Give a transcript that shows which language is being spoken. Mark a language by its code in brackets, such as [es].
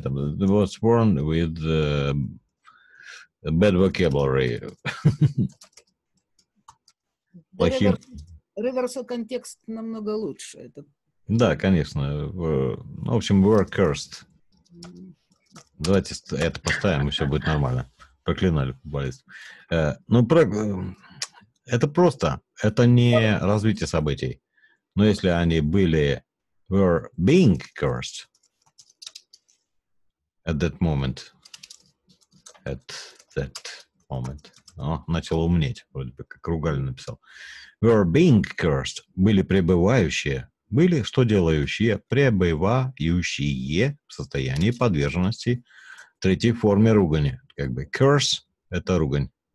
[en] It was sworn with bad vocabulary. [ru] Плохим. Реверсо контекст намного лучше. Это... Да, конечно. В общем, [en] we're cursed. [ru] Давайте это поставим, и все будет нормально. Проклинали футболистов. Ну, про... это просто. Это не развитие событий. Но если они были [en] were being cursed at that moment. At that moment. [ru] О, начал умнеть. Вроде бы как ругали написал. [en] Were being cursed. [ru] Были пребывающие. Были что делающие? Пребывающие в состоянии подверженности третьей форме ругани. Как бы curse — это ругань.